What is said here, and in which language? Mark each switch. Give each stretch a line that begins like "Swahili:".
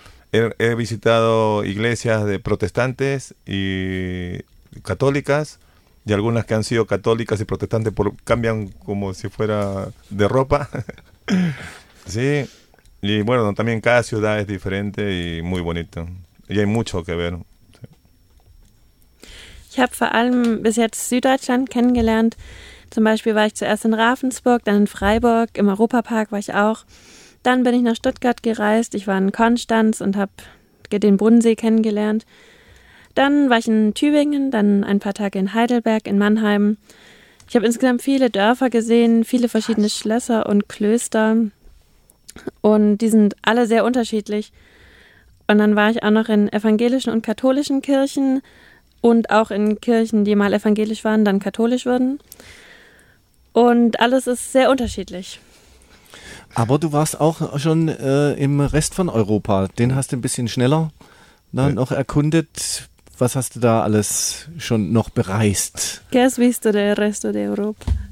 Spanish: He visitado iglesias de protestantes y católicas, y algunas que han sido católicas y protestantes cambian como si fuera de ropa. Sí. Y bueno, también cada ciudad es diferente y muy bonito. Y hay mucho que ver.
German: Ich habe vor allem bis jetzt Süddeutschland kennengelernt. Zum Beispiel war ich zuerst in Ravensburg, dann in Freiburg, im Europapark war ich auch. Dann bin ich nach Stuttgart gereist, ich war in Konstanz und habe den Brunnensee kennengelernt. Dann war ich in Tübingen, dann ein paar Tage in Heidelberg, in Mannheim. Ich habe insgesamt viele Dörfer gesehen, viele verschiedene Schlösser und Klöster. Und die sind alle sehr unterschiedlich. Und dann war ich auch noch in evangelischen und katholischen Kirchen. Und auch in Kirchen, die mal evangelisch waren, dann katholisch wurden. Und alles ist sehr unterschiedlich. Aber du warst auch schon im Rest von Europa. Den hast du ein bisschen schneller dann noch erkundet. Was hast du da alles schon noch bereist?
Spanish: ¿Qué has visto del resto de Europa?